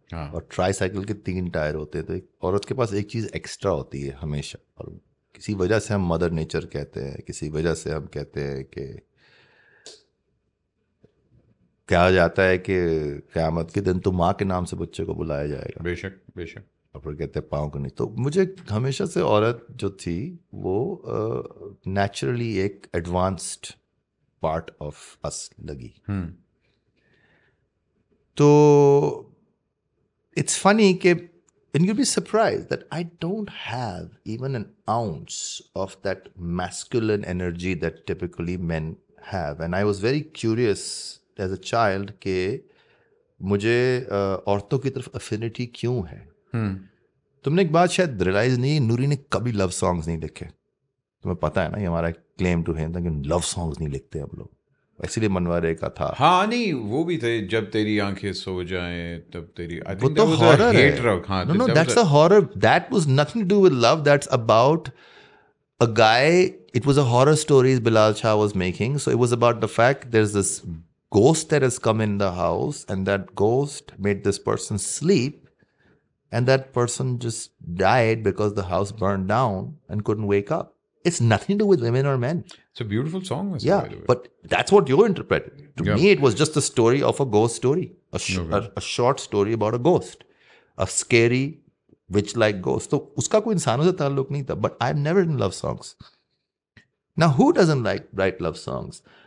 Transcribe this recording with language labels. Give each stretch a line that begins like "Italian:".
Hindi: और ट्राईसाइकिल के तीन टायर होते हैं, तो एक औरत के पास एक चीज़ एक्स्ट्रा होती है हमेशा, और किसी वजह से हम मदर नेचर कहते हैं, किसी वजह से हम कहते हैं कि कहा जाता है कि क़यामत के दिन तो माँ के नाम से बच्चे को बुलाया जाएगा, बेशक बेशक, और फिर कहते हैं पाँव को नहीं। तो मुझे हमेशा से औरत जो थी वो नेचुरली एक एडवांस्ड पार्ट ऑफ अस लगी।
English: तो it's funny, and you'll be surprised that I don't have even an ounce of that masculine energy that typically men have. And I was very curious as a child
Hindi: ke mujhe auraton ki taraf affinity kyun hai. Tumne ek baat shayad realize nahi, Noori ne kabhi love songs nahi likhe. Tumhe pata hai na, ye hamara claim to him tha ki love songs nahi likhte hum log. इसलिए मनवारे का था। हाँ नहीं, वो भी थे, जब तेरी आंखें सो जाएं तब तेरी, वो तो हॉरर है।
English: No no, that's a horror, that was nothing to do with love, that's about a guy, it was a horror story Bilal Shah was making, so it was about the fact there is this ghost that has come in the house and that ghost made this person sleep and that person just died because the house burn down and couldn't wake up. It's nothing to do with women or men. It's a beautiful song. Yeah, by the way. But that's what you interpreted. To me, it was just the story of a ghost story. A short story about a ghost. A scary, witch-like ghost. So,
Hindi: uska koi insano se taluk nahi tha.
English: But I've never written love songs. Now, who doesn't like write love songs?